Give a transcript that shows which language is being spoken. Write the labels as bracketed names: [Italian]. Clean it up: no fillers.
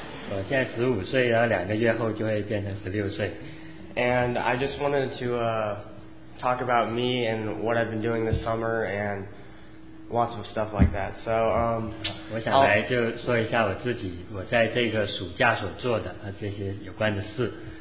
[Chinese] 我现在15岁，然后两个月后就会变成16岁。 [English] And I just wanted to talk about me and what I've been doing this summer and lots of stuff like that. So [Chinese] 我想来就说一下我自己，我在这个暑假所做的和这些有关的事。